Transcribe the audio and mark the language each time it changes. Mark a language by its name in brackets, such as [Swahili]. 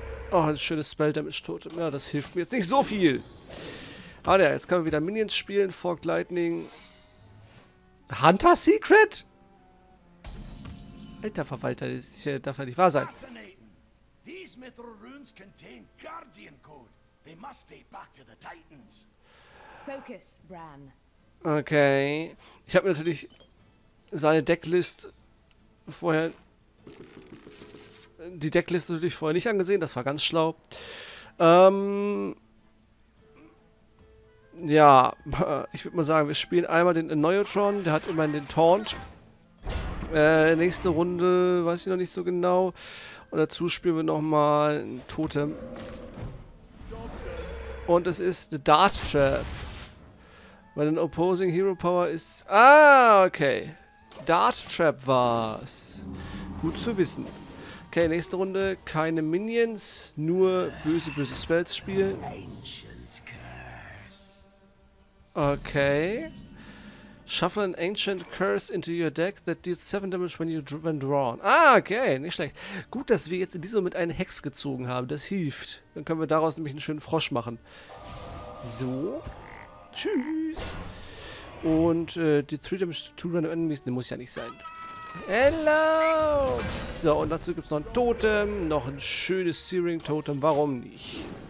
[German] Oh, ein schönes Spell Damage Totem. Ja, das hilft mir jetzt nicht so viel. Ah, ja, jetzt können wir wieder Minions spielen. Forked Lightning. Hunter Secret? Alter Verwalter, das ist, darf ja nicht wahr sein. [English] These Mithril Runes contain Guardian Code. They must date back to the Titans. Focus, Bran. [German] Okay. Ich habe natürlich seine Decklist vorher. Die Deckliste natürlich vorher nicht angesehen, das war ganz schlau. Ja, ich würde mal sagen, wir spielen einmal den Neutron, der hat immerhin den Taunt. Nächste Runde weiß ich noch nicht so genau. Und dazu spielen wir nochmal ein Totem. Und es ist The Dart Trap. Weil den Opposing Hero Power ist. Ah, okay. Dart Trap war's. Gut zu wissen. Okay, nächste Runde. Keine Minions, nur böse, böse Spells spielen. Okay. [English] Shuffle an Ancient Curse into your deck that deals 7 damage when drawn. [German] Ah, okay, nicht schlecht. Gut, dass wir jetzt in diesem Moment einen Hex gezogen haben. Das hilft. Dann können wir daraus nämlich einen schönen Frosch machen. So. Tschüss. Und die 3 damage to 2 random enemies, ne, muss ja nicht sein. Hello! So, und dazu gibt es noch ein Totem. Noch ein schönes Searing Totem. Warum nicht?